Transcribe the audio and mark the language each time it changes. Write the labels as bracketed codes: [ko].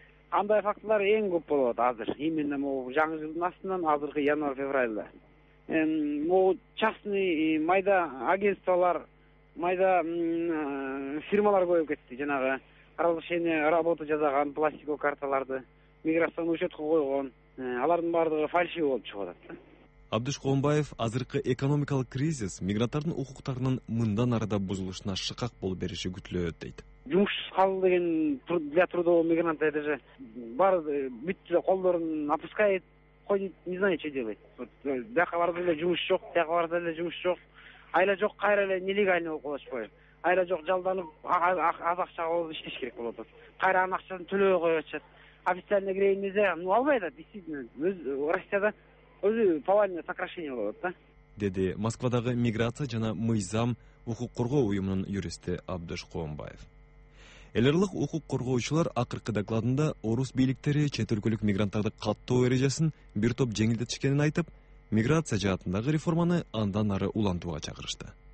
[ky] Кандай фактылар эң көп болуп атат азыр, [ru] именно [ky] могу жаңы жылдын астынан азыркы январь февральда могу частный майда агентстволор, майда фирмалар көбөйүп кетти. Жанагы [ru] разрешение работы [ky] жасаган пластиковый карталарды миграциянын учетко койгон, алардын баардыгы фальшивый болуп чыгып атат да. Абдыш Коомбаев азыркы экономикалык кризис мигранттардын укуктарынын мындан ары да бузулушуна шыкак болуп бериши күтүлөт дейт. Жумушсуз калды деген [ru] для трудового мигранта это же [ky] баары бүттү да, колдорун [ru] опускает, ходит, не знаю что делает. [ky] Бияка барса эле жумуш жок, бияка барса эле жумуш жок, айла жок, кайра эле нелегальный болуп калышпайбы? Айла жок, жалданып аз акчага болуп иштеш керек болуп атат. Кайра анын акчасын төлөбөй коюп атышат. Официально кирейин десе албайт да, действительно Россияда өзү [ru] повальное сокращение [ky] болуп атат да, деди Москвадагы миграция жана мыйзам укук коргоо уюмунун юристи Абдыш Коомбаев. Эл аралык укук коргоочулар акыркы докладында орус бийликтери чет өлкөлүк мигранттарды каттоо эрежесин бир топ жеңилдетишкенин айтып, миграция жаатындагы реформаны андан ары улантууга чакырышты.